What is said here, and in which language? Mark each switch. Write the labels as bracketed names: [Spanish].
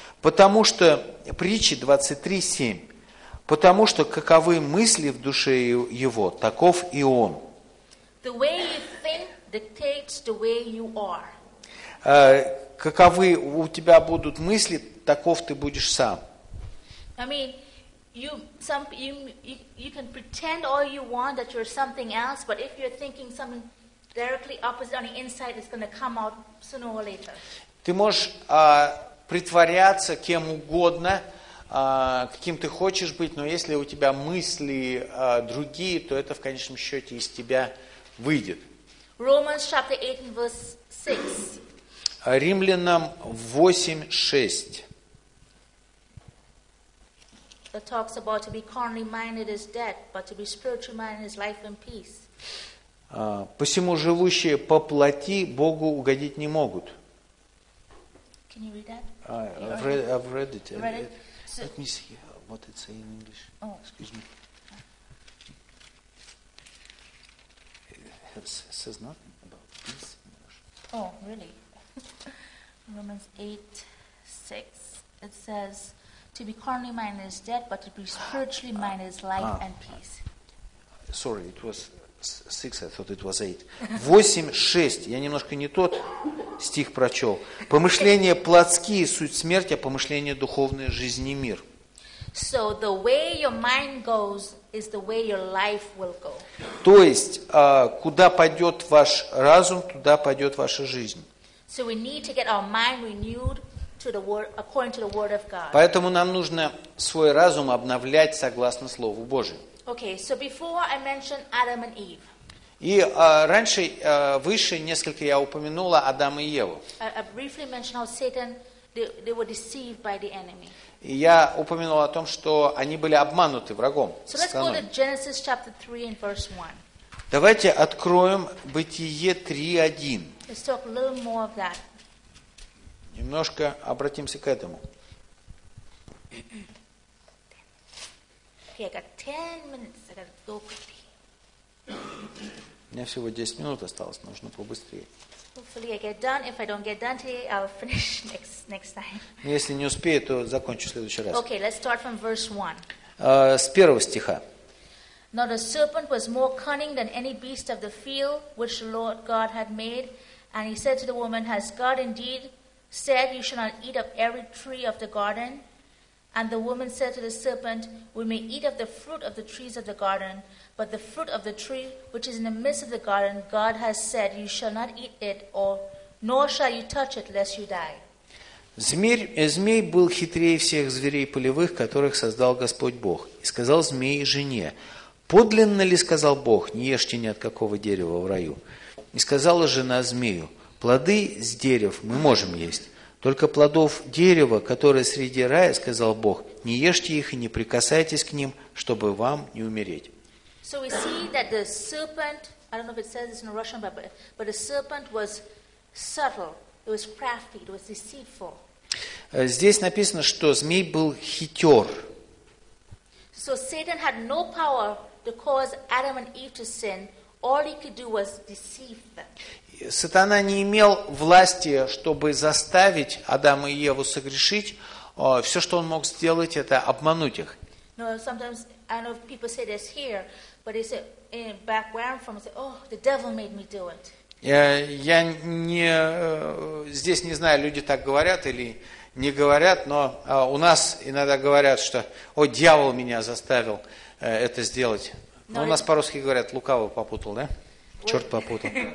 [Russian] Потому что, притчи 23:7, потому что каковы мысли в душе его, таков и он. [English] The way you think dictates the way you are. [Russian] Каковы у тебя будут мысли, таков ты будешь сам. [English] I mean, you can pretend all you want that you're something else, but if you're thinking something directly opposite on the inside, it's going to come out sooner or later. [Russian] Ты можешь притворяться кем угодно, каким ты хочешь быть, но если у тебя мысли другие, то это в конечном счете из тебя выйдет. [English] Romans chapter 8 and verse 6. [Russian] Римлянам 8:6. [English] It talks about to be carnally minded is death, but to be spiritually minded is life and peace. [Russian] Посему живущие по плоти Богу угодить не могут. [English] Can you read that? I've read it. You read it? Let me see what it says in English. Oh. Excuse me. It says nothing about peace in English. Oh, really? Romans 8:6. It says, to be carnally minded is dead, but to be spiritually minded is life and peace. Sorry, it was 6, I thought it was 8. 8:6. [Russian] Я немножко не тот стих прочел. Помышления плотские – суть смерти, а помышления духовные – жизнь и мир. [English] So the way your mind goes is the way your life will go. [Russian] То есть, куда пойдет ваш разум, туда пойдет ваша жизнь. [English] So we need to get our mind renewed to the word, according to the word of God. [Russian] Поэтому нам нужно свой разум обновлять согласно Слову Божию. [English] Okay, so before I mentioned Adam and Eve. [Russian] И раньше, выше несколько я упомянула Адама и Еву. [English] I briefly mentioned how Satan they were deceived by the enemy. [Russian] И я упомянула о том, что они были обмануты врагом. [English] So let's go to Genesis chapter 3 and verse 1. [Russian] Давайте откроем Бытие 3:1. [English] Let's talk a little more of that. [Russian] Немножко обратимся к этому. [English] Okay, I got 10 minutes. I got to go quickly. [Russian] У меня всего 10 минут осталось, нужно побыстрее. [English] Hopefully I get done. If I don't get done today, I'll finish next time. [Russian] Если не успею, то закончу в следующий раз. [English] Okay, let's start from verse 1. [Russian] С первого стиха. [English] Now the serpent was more cunning than any beast of the field which the Lord God had made, and he said to the woman, "Has God indeed said, 'You shall not eat of every tree of the garden'?" And the woman said to the serpent, We may eat of the fruit of the trees of the garden, but the fruit of the tree which is in the midst of the garden, God has said, You shall not eat it, nor shall you touch it, lest you die. [Russian] Змей был хитрее всех зверей полевых, которых создал Господь Бог. И сказал змей жене, «Подлинно ли, сказал Бог, не ешьте ни от какого дерева в раю?» И сказала жена змею, «Плоды с дерев мы можем есть, только плодов дерева, которые среди рая, сказал Бог, не ешьте их и не прикасайтесь к ним, чтобы вам не умереть». [English] So we see that the serpent, I don't know if it says this in Russian, but the serpent was subtle. It was crafty, it was deceitful. [Russian] Здесь написано, что змей был хитер. [English] So Satan had no power to cause Adam and Eve to sin. All he could do was deceive them. [Russian] Сатана не имел власти, чтобы заставить Адама и Еву согрешить. Все, что он мог сделать, это обмануть их. [English] No, sometimes I know people say this here, but they say in back where I'm from, they say, "Oh, the devil made me do it." [Russian] Я не, здесь не знаю, люди так говорят или не говорят, но у нас иногда говорят, что «О, дьявол меня заставил это сделать». Но у нас по-русски говорят «лукаво попутал», да? Черт попутал.